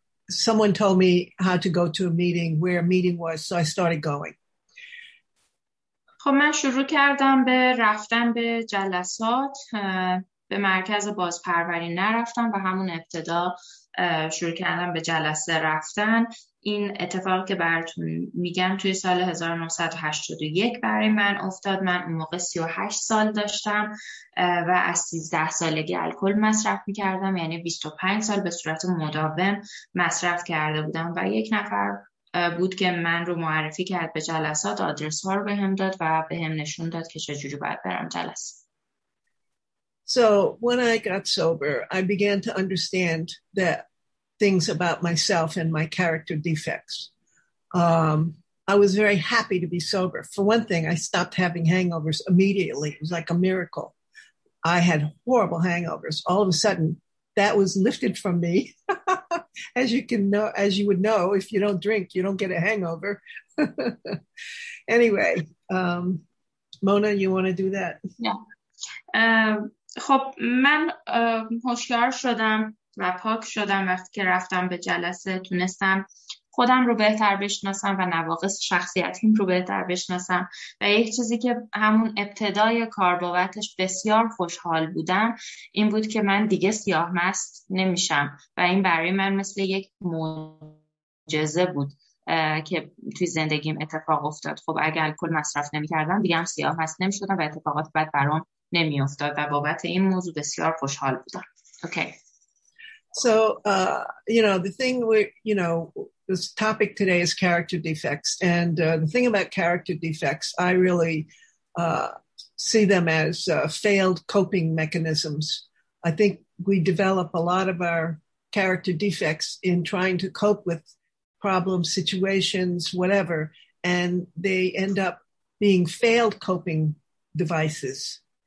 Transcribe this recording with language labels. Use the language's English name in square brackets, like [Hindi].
[English] Someone told me how to go to a meeting, where a meeting was, so I started going. [Persian] خب من شروع کردم به رفتن به جلسات. به مرکز بازپروری نرفتم و همون ابتدا شروع کردم به جلسه رفتن. این اتفاق که براتون میگم توی سال 1981 برای من افتاد. من اون موقع 38 سال داشتم و از 13 سالگی الکل مصرف میکردم، یعنی 25 سال به صورت مداوم مصرف کرده بودم و یک نفر بود که من رو معرفی کرد به جلسات، آدرس ها رو به هم داد و به هم نشون داد که چجوری باید برم جلسه. [English] So when I got sober, I began to understand the things about myself and my character defects. I was very happy to be sober. For one thing, I stopped having hangovers immediately. It was like a miracle. I had horrible hangovers. All of a sudden, that was lifted from me. As you would know, if you don't drink, you don't get a hangover. Anyway, Mona, you want to do that? Yeah. [Persian] خب من هوشیار شدم و پاک شدم وقتی که رفتم به جلسه. تونستم خودم رو بهتر بشناسم و نواقص شخصیتیم رو بهتر بشناسم و یک چیزی که همون ابتدای کار بابتش بسیار خوشحال بودم این بود که من دیگه سیاه مست نمیشم و این برای من مثل یک معجزه بود که توی زندگیم اتفاق افتاد. خب اگر الکل مصرف نمی کردم دیگه هم سیاه مست نمی شدم و اتفاقات بعد برام نمی افتاد و بابت این موضوع بسیار خوشحال بودم. اوکی. [English] So, you know, the thing where, you know, this topic today is character defects. And the thing about character defects, I really see them as failed coping mechanisms. I think we develop a lot of our character defects in trying to cope with problems, situations, whatever, and they end up being failed coping devices.